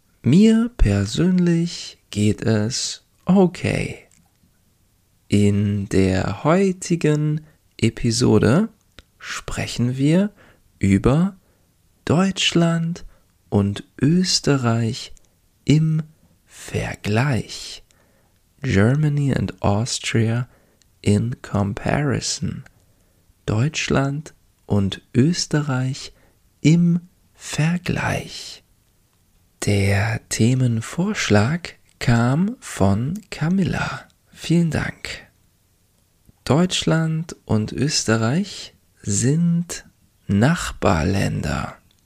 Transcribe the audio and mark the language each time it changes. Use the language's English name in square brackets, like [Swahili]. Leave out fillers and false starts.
[German] Mir persönlich geht es okay. In der heutigen Episode sprechen wir über Deutschland und Österreich im Vergleich. [English] Germany and Austria in comparison. [German] Deutschland und Österreich im Vergleich. Der Themenvorschlag kam von Camilla. Vielen Dank. Deutschland und Österreich sind Nachbarländer.